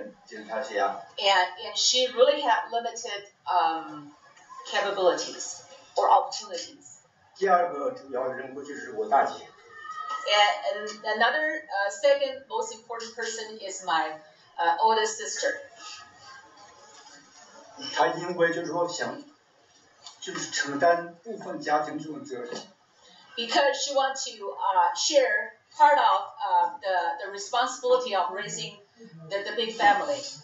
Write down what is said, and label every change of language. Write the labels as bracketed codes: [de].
[en] And she really had limited capabilities or opportunities. And another second most important person is my oldest sister. [zh] 她因为就是说想，就是承担部分家庭这种责任。 [en] Because she wants to share part of the responsibility of raising the big family.